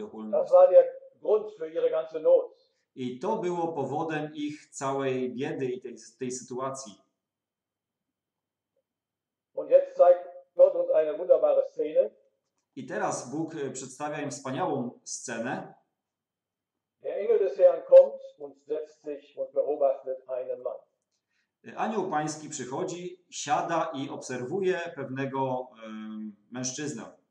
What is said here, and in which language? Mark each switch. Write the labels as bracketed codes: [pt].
[de] Das war der Grund für ihre ganze Not. [pl] I to było powodem ich całej biedy i tej sytuacji. [de] Und jetzt zeigt Gott uns eine wunderbare Szene. [pl] I teraz Bóg przedstawia im wspaniałą scenę. [de] Der Engel des Herrn kommt und setzt sich und beobachtet einen Mann. [pl] Anioł Pański przychodzi, siada i obserwuje pewnego mężczyznę.